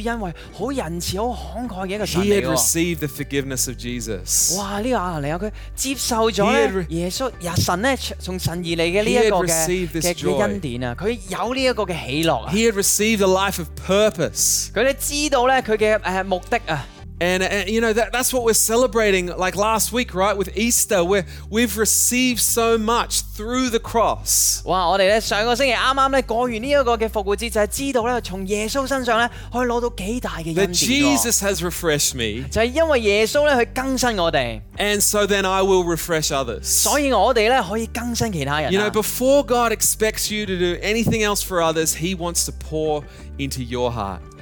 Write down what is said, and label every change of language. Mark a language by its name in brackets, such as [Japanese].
[Chinese] 哇，在这个原文，这个希伯来文，原来亚拿尼亚这个名是解神是施予恩惠，很仁慈，很慷慨的一个神。 [English] He had received the forgiveness of Jesus. [Chinese] 哇，这个亚拿尼亚他接受了耶稣，神从神而来的这个恩典，他有这个喜乐。 [English] He had received a life of purpose. [Chinese] 他知道他的目的。 [English] And you know, that's what we're celebrating like last week, right? With Easter, where we've received so much through the cross. [Chinese] Wow, 我们上个星期刚刚过完这个复活节，就是知道从耶稣身上去拿到几大的恩典。 [English] That Jesus has refreshed me. [Chinese] 就是因为耶稣去更新我们。 [English] And so then I will refresh others. [Chinese] 所以我们可以更新其他人。 [English] You know, before God expects you to do anything else for others, He wants to pour into your heart.